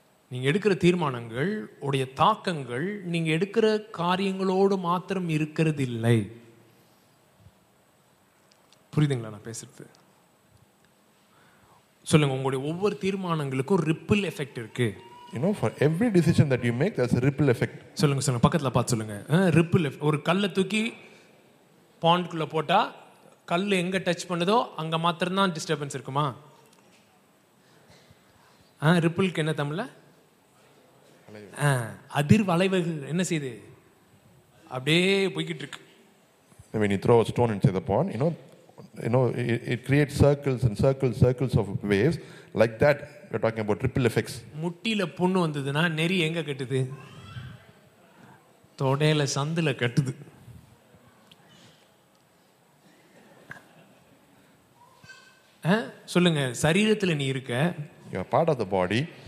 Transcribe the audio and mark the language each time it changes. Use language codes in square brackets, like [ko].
[ta] நீங்க எடுக்கிற தீர்மானங்கள் உடைய தாக்கங்கள் நீங்க எடுக்கிற காரியங்களோடு மாத்திரம் இருக்கிறது இல்லை. புரியுதுங்களா நான் பேசுறது? சொல்லுங்க, உங்களுடைய ஒவ்வொரு தீர்மானங்களுக்கும் ரிப்பிள் எஃபெக்ட் இருக்கு. [en] You know, for every decision that you make, there's a ripple effect. [ta] சொல்லுங்க சொல்லுங்க பக்கத்துல பாத்து சொல்லுங்க. Ripple effect. ஒரு கல்ல தூக்கி பாண்ட்குள்ள போட்டா கல் எங்க டச் பண்ணுதோ அங்க மாத்திரம் தான் டிஸ்டர்பன்ஸ் இருக்குமா? ரிப்பிள்க்கு என்ன தமிழ? அதிர்வலைவுகள். என்ன செய்து அப்படியே போய்கிட்டு இருக்கு. [en] When you throw a stone into the pond, you know it creates circles and circles, circles of waves like that. We're talking about ripple effects. [ta] முட்டில புண்ணு வந்ததுனா நெறி எங்க கட்டுது? தோடையில சந்துல கட்டுது. சொல்லுங்க, சரீரத்துல நீ இருக்க, [en] you are part of the body.